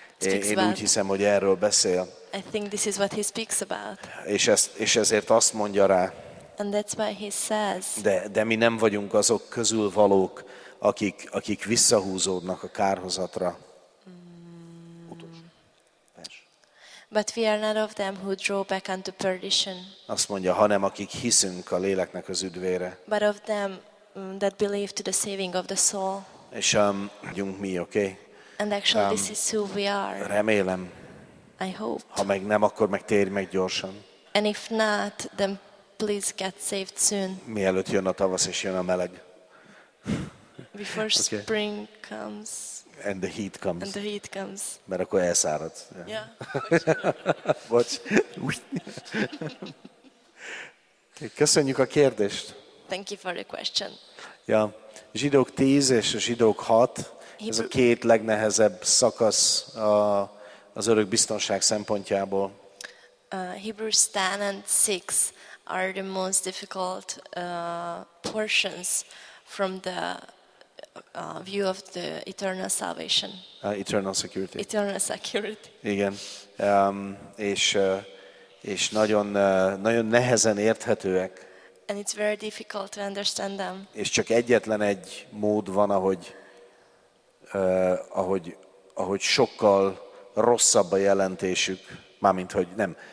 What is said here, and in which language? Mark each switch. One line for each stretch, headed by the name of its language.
Hungarian: Én úgy hiszem, hogy erről beszél.
English: I think this is what he speaks about.
Hungarian: És ezért azt mondja rá.
English: And that's why he says.
Hungarian: De mi nem vagyunk azok közül valók, akik visszahúzódnak a kárhozatra.
English: But we are not of them who draw back unto perdition.
Hungarian: Azt mondja, hanem akik hiszünk a léleknek az üdvére.
English: But of them that believe to the saving of the soul.
Hungarian: És vagyunk mi, okay?
English: And actually this is who we are.
Hungarian: Remélem.
English: I hope.
Hungarian: Ha meg nem, akkor meg térj meg gyorsan.
English: And if not, then please get saved soon.
Hungarian: Mielőtt jön a tavasz és jön a meleg.
English: Before okay. Spring comes. And the heat comes. And the heat comes.
Hungarian: Mert akkor elszárad.
English: Yeah.
Hungarian: Bocs. Köszönjük a kérdést.
English: Thank you for the question.
Hungarian: Ja, zsidók 10 és a zsidók 6, ez a két legnehezebb szakasz az örök biztonság szempontjából.
English: Hebrews 10 and 6 are the most difficult portions from the view of the eternal salvation. Eternal security. Eternal security.
Hungarian: Igen. És nagyon nagyon nehezen érthetőek.
English: And it's very difficult to understand them.
Hungarian: És csak egyetlen egy mód van, ahogy sokkal rosszabb a jelentésük, mármint hogy nem.